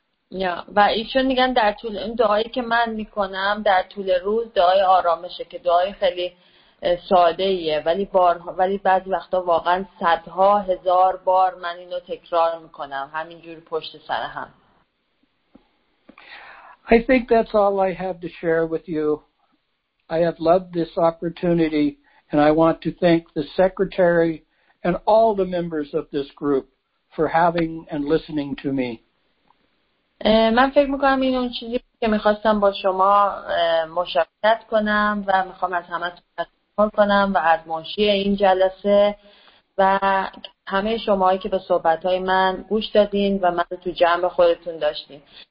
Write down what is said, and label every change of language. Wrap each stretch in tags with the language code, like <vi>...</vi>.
<fa>Yeah, و ایشون میگن در طول این دعایی که من میکنم در طول روز دعای آرامشه که دعای خیلی ساده ایه ولی بعضی وقتا واقعا صدها هزار بار من اینو تکرار میکنم همینجور پشت سر هم.</fa> <en>I think that's all I have to share with you. I have loved this opportunity, and I want to thank the secretary and all the members of this group for having and listening to me.</en> <fa>من فکر میکنم این اون چیزی که میخواستم با شما مشارکت کنم و میخوام از همه تشکر کنم و از منشی این جلسه و همه شماهایی که به صحبتهای من گوش دادین و من تو جمع خودتون داشتین.</fa>